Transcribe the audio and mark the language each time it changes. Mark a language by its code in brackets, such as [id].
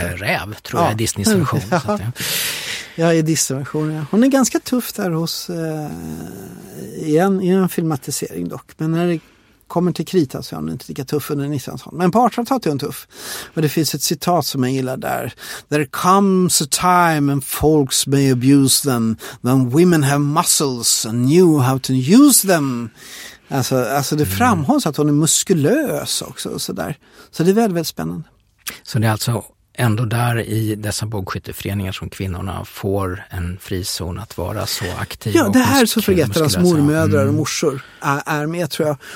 [sv] Till och med räv, tror jag, i Disneys version. Ja, i Disneys version. Ja. Hon är ganska tuff där hos i en filmatisering dock. Men när det kommer till krita så är hon inte lika tuff under 1900-talet. Men på 1800-talet är hon tuff. Men det finns ett citat som jag gillar där. [en] There comes a time and folks may abuse them when women have muscles and knew how to use them. [sv] Alltså det framhålls att hon är muskulös också och sådär. Så det är väldigt, väldigt spännande. Så det är alltså ändå där i dessa bågskytteföreningar som kvinnorna får en frizon att vara så aktiva. Ja, det här så förgätter hans mormödrar och morsor är med, tror jag.